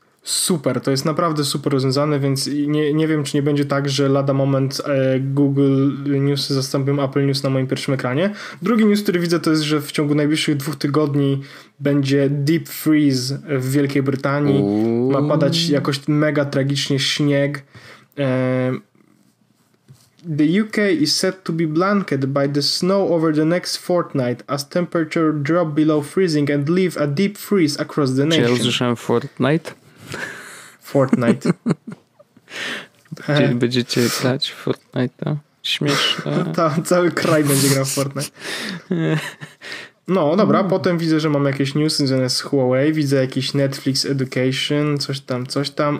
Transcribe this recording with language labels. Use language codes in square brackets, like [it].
[pl] Super, to jest naprawdę super rozwiązane, więc nie wiem, czy nie będzie tak, że lada moment Google News zastąpią Apple News na moim pierwszym ekranie. Drugi news, który widzę, to jest, że w ciągu najbliższych 2 tygodni będzie deep freeze w Wielkiej Brytanii. Uuu. Ma padać jakoś mega tragicznie śnieg. [en] The UK is set to be blanketed by the snow over the next fortnight as temperature drop below freezing and leave a deep freeze across the nation. [pl] Czy ja usłyszałem Fortnite? Fortnite. Czyli będziecie grać w Fortnite'a? Śmieszne. Cały kraj będzie grał w Fortnite. No dobra, potem widzę, że mam jakieś newsy związane z Huawei, widzę jakiś Netflix Education, coś tam.